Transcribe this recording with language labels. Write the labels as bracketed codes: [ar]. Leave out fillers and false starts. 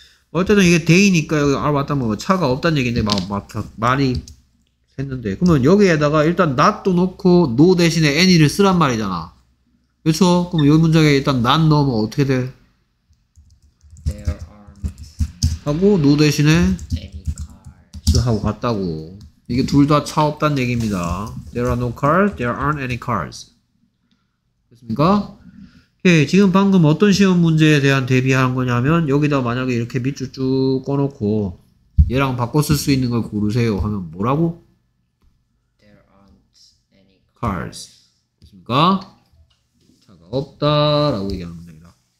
[ko] 어쨌든 이게 day니까 여기 아 맞다 뭐 차가 없다는 얘기인데 막 말이 했는데 그러면 여기에다가 일단 not도 넣고 no 대신에 any를 쓰란 말이잖아. 그렇죠? 그럼 이 문장에 일단 not 넣으면 어떻게 돼? [en] There are not [ko] 하고 no 대신에 [en] any cars [ko] 하고 갔다고. 이게 둘다차 없다는 얘기입니다. [en] There are no cars, there aren't any cars. [ko] 됐습니까? 예, 지금 방금 어떤 시험 문제에 대한 대비하는 거냐면 여기다 만약에 이렇게 밑줄 쭉 꺼놓고 얘랑 바꿔 쓸 수 있는 걸 고르세요 하면 뭐라고? [en] There aren't any cars. [ko] 됐습니까? 차가 없다 라고 얘기하는 겁니다.